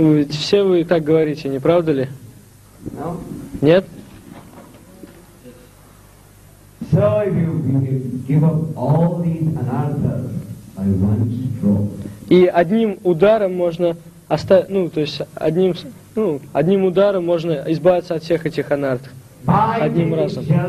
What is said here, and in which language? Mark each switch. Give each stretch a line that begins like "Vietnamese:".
Russian: Все вы так говорите, не правда ли?
English: No?
Russian: Нет?
English: So if you give up all these anarthas by one stroke.
Russian: И одним ударом можно оставить, ну, то есть одним, ну, одним ударом можно избавиться от всех этих анартх. Одним разом.